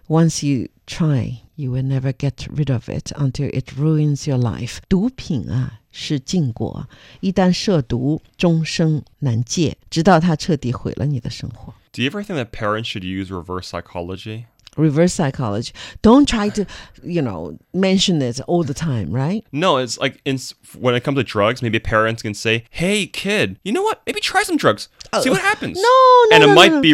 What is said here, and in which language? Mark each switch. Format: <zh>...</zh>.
<en>Once you try, you will never get rid of it until it ruins your life.</en> <zh>毒品啊, 是禁果, 一旦涉毒, 终生难戒, 直到它彻底毁了你的生活。</zh> <en>Do you ever think that parents should use reverse psychology? Reverse psychology. Don't try to, you know, mention it all the time, right? No, it's like when it comes to drugs, maybe parents can say, hey, kid, you know what? Maybe try some drugs. See what happens. No, it might be</en>